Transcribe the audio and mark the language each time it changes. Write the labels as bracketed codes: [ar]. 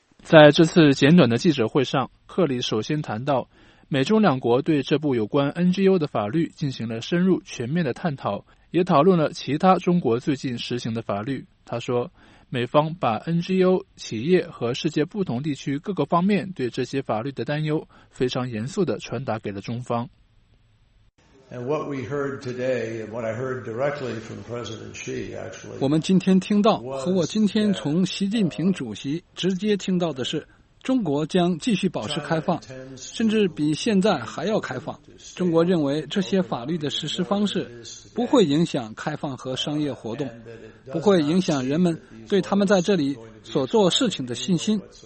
[zh] 在这次简短的记者会上，克里首先谈到美中两国对这部有关 NGO 的法律进行了深入全面的探讨，也讨论了其他中国最近实行的法律。他说，美方把 NGO 企业和世界不同地区各个方面对这些法律的担忧非常严肃地传达给了中方。 [en] And what we heard today, and what I heard directly from President Xi, actually, [zh] 我们今天听到和我今天从习近平主席直接听到的是，中国将继续保持开放，甚至比现在还要开放。中国认为这些法律的实施方式不会影响开放和商业活动，不会影响人们对他们在这里所做事情的信心。